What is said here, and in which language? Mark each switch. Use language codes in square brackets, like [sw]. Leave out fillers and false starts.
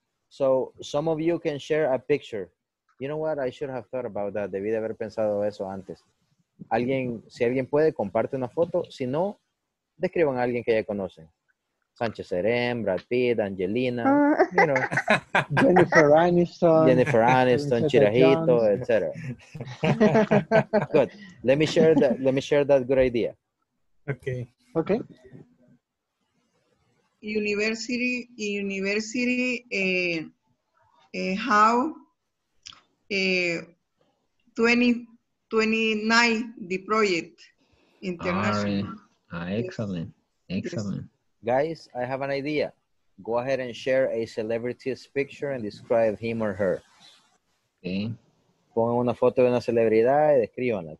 [en] So some of you can share a picture. You know what? I should have thought about that. [es] Debí de haber pensado eso antes. Alguien, si alguien puede, comparte una foto. Si no, describan a alguien que ya conocen. [en] Sánchez Serén, Brad Pitt, Angelina, you know. Jennifer Aniston, Chirajito, etc. Good. Let me share that good idea. Okay. Okay. University, how 2029 the project international. Excellent. Excellent. Yes. Guys, I have an idea. Go ahead and share a celebrity's picture and describe him or her. Okay. [es] Pongan una foto de una celebridad y describanla.